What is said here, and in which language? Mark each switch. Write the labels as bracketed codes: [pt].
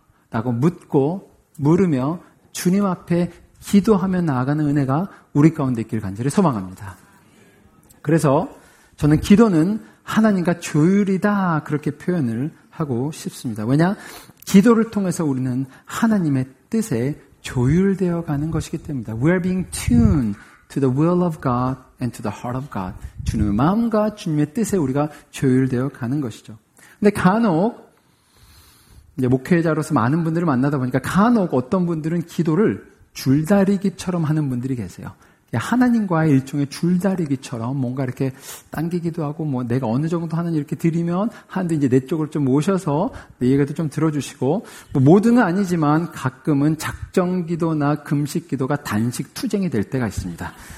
[ko] 라고 묻고 물으며 주님 앞에 기도하며 나아가는 은혜가 우리 가운데 있길 간절히 소망합니다. 그래서 저는 기도는 하나님과 조율이다 그렇게 표현을 하고 싶습니다. 왜냐? 기도를 통해서 우리는 하나님의 뜻에 조율되어 가는 것이기 때문입니다. [en] We are being tuned to the will of God and to the heart of God. [ko] 주님의 마음과 주님의 뜻에 우리가 조율되어 가는 것이죠. 근데 간혹 이제 목회자로서 많은 분들을 만나다 보니까 간혹 어떤 분들은 기도를 줄다리기처럼 하는 분들이 계세요. 하나님과의 일종의 줄다리기처럼 뭔가 이렇게 당기기도 하고 뭐 내가 어느 정도 하는 이렇게 드리면 하는데 이제 내 쪽을 좀 모셔서 내 얘기도 좀 들어주시고 뭐 모든 건 아니지만 가끔은 작정기도나 금식기도가 단식투쟁이 될 때가 있습니다.